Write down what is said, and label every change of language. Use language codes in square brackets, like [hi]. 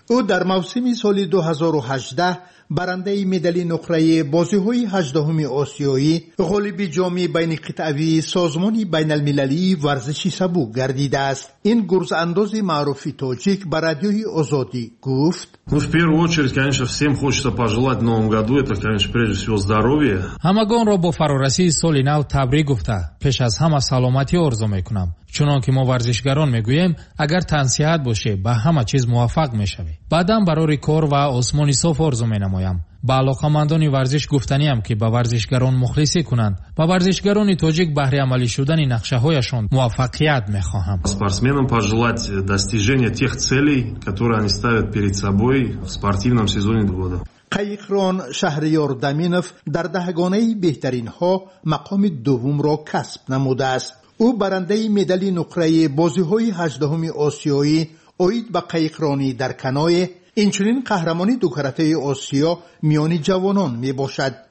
[fa] او در موسم سال 2018 برنده مدال نقره بازی های 18 آسیایی، غالب جام بین قطعوی سازمان بین المللی ورزشی سبو گردیده است. این گرز انداز معروف تاجیک به رادیوی آزادی گفت: [ru] ну в первую очередь, конечно, всем хочется пожелать новому году это, конечно, прежде всего здоровья. [fa] همگان را با فرارسی سال نو تبریک گفته، پیش از همه سلامتی آرزو میکنم. چنان که ما ورزشگران میگوییم، اگر تن صحت باشه به همه چیز موفق میشوی. بعدم برای کار و آسمان صاف آرزو مینمایم. به علاقه‌مندان ورزش گفتنیم که به ورزشگران مخلصی کنند و ورزشگران تاجیک بهره عملی شدن نقشه هایشان موفقیت میخواهم. [ru] спортсменам пожелать достижения тех целей, которые они ставят перед собой в спортивном сезоне года. [fa] قیقران شهریار دمینف در دهگانه بهترین ها مقام دوم را کسب نموده است. او برنده مدال نقره بازی های 18 آسیایی اوید با قیقرانی در کنای اینچنین قهرمانی دو کرته آسیا میانی جوانان می باشد.